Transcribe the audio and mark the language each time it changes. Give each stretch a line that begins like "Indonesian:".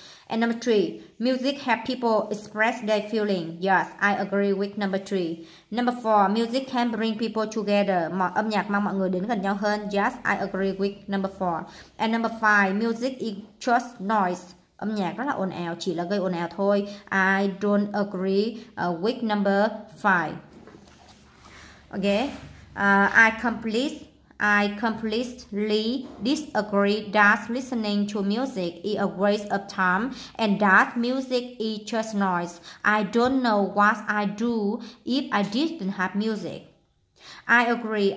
English: And number 3, music help people express their feeling. Yes, I agree with number 3. Number 4, music can bring people together.
Vietnamese: Âm nhạc mang mọi người đến gần nhau hơn.
English: Yes, I agree with number 4. And number 5, music is just noise.
Vietnamese: Âm nhạc rất là ồn ào, chỉ là gây ồn ào thôi.
English: I don't agree with number 5. Okay, I completely disagree that listening to music is a waste of time and that music is just noise. I don't know what I'd do if I didn't have music. I agree.